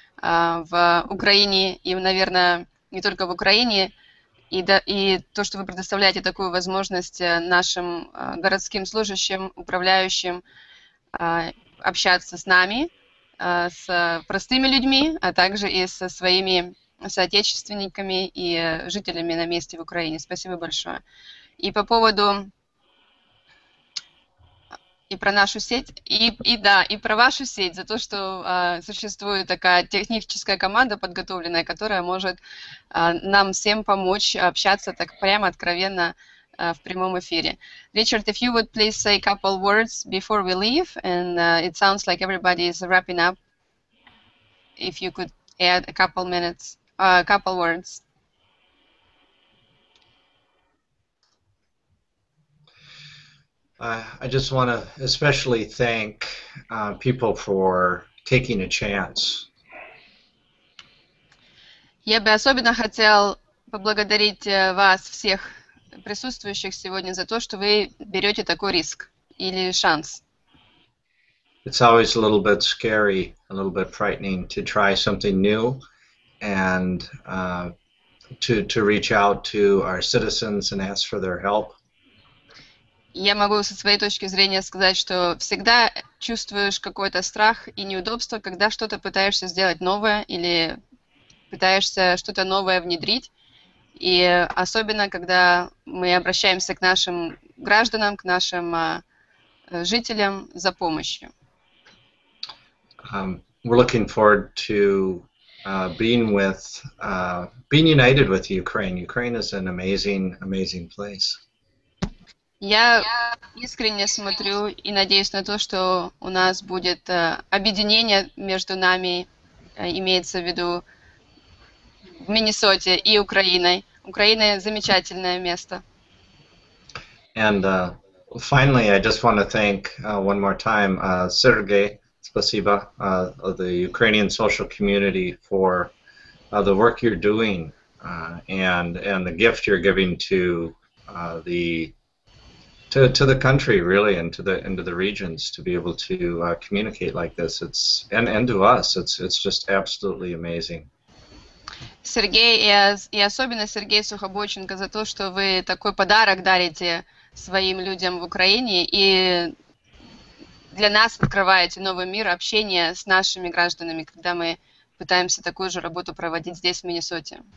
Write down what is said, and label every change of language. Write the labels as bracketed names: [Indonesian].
[Russian] в Украине, и, наверное, не только в Украине, и то, что вы предоставляете такую возможность нашим городским служащим, управляющим, общаться с нами, с простыми людьми, а также и со своими соотечественниками и жителями на месте в Украине. Спасибо большое. И по поводу... И про нашу сеть, и про вашу сеть, за то, что существует такая техническая команда подготовленная, которая может нам всем помочь общаться так прямо, откровенно в прямом эфире. [English] Richard, if you would please say a couple words before we leave, and it sounds like everybody is wrapping up, if you could add a couple minutes, couple words. I just want to especially thank people for taking a chance. [Russian] Я бы особенно хотел поблагодарить вас всех присутствующих сегодня за то, что вы берете такой риск или шанс. [English] It's always a little bit scary, a little bit frightening to try something new and to reach out to our citizens and ask for their help. [Russian] Я могу со своей точки зрения сказать, что всегда чувствуешь какой-то страх и неудобство, когда что-то пытаешься сделать новое или пытаешься что-то новое внедрить. И особенно, когда мы обращаемся к нашим гражданам, к нашим жителям за помощью. [English] We're looking forward to being united with Ukraine. Ukraine is an amazing, amazing place. [Russian] Я искренне смотрю и надеюсь на то, что у нас будет объединение между нами, имеется в виду в Миннесоте и Украиной. Украина – замечательное место. [English] And finally, I just want to thank one more time Sergey, [Russian] спасибо, [English] the Ukrainian social community for the work you're doing and the gift you're giving to to the country, really, and to the regions, to be able to communicate like this. It's and to us, it's just absolutely amazing. [Russian] Сергей и особенно Сергей Сухобоченко за то, что вы такой подарок дарите своим людям в Украине и для нас открываете новый мир общения с нашими гражданами, когда мы пытаемся такую же работу проводить здесь в Миннесоте.